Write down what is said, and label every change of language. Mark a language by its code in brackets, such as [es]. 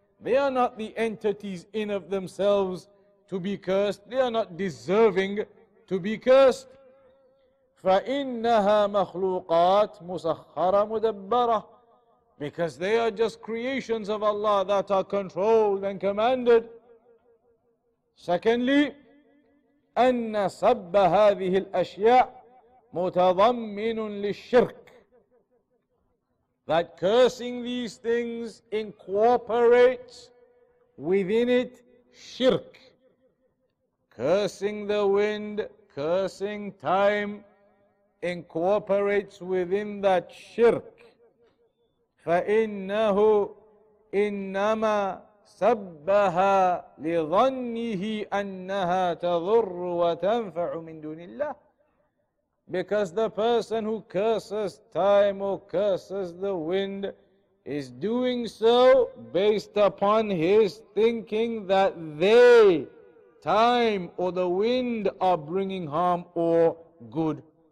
[en] They are not the entities in of themselves to be cursed. They are not deserving to be cursed. [ar] فَإِنَّهَا مَخْلُوقَاتٌ مُسَخَّرَ مُدَبَّرَةٌ. [en] Because they are just creations of Allah that are controlled and commanded. Secondly, [ar] أن سب هذه الأشياء متضمن للشرك. [en] That cursing these things incorporates within it shirk. Cursing the wind, cursing time, incorporates within that shirk. [ar] فإنه إنما سبها لظنه أنها تضر وتنفع من دون الله. [en] Because the person who curses time or curses the wind is doing so based upon his thinking that they, time or the wind, are bringing harm or good.